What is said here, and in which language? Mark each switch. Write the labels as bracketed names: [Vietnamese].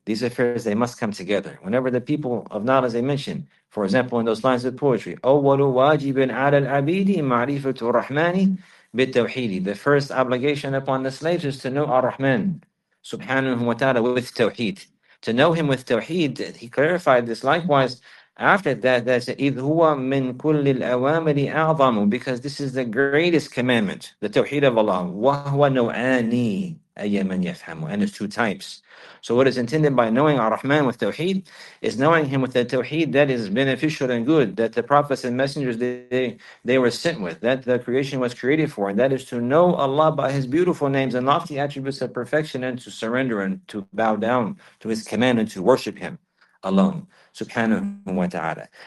[English] These affairs, they must come together. Whenever the people of knowledge, they mention, for example, in those lines of poetry, [Arabic] أَوَّلُ وَاجِبٍ عَلَى الْعَبِيدِ مَعْرِفَةُ الرَّحْمَنِ بِالتَّوْحِيدِ. [English] The first obligation upon the slaves is to know Ar-Rahman, Subhanahu wa Ta'ala, with Tawheed. To know Him with Tawheed, he clarified this likewise. After that, that's [Arabic] إِذْ هُوَ مِنْ كُلِّ الْأَوَامِرِ أَعْظَمُ. [English] Because this is the greatest commandment, the Tawheed of Allah. [Arabic] وَهُوَ نَوْعَانِ أَيَّ مَنْ يَفْحَمُ. [English] And it's two types. So what is intended by knowing Ar-Rahman with Tawheed is knowing Him with the Tawheed that is beneficial and good, that the prophets and messengers they were sent with, that the creation was created for, and that is to know Allah by His beautiful names and lofty attributes of perfection, and to surrender and to bow down to His command and to worship Him alone, Subhanahu wa Ta'ala.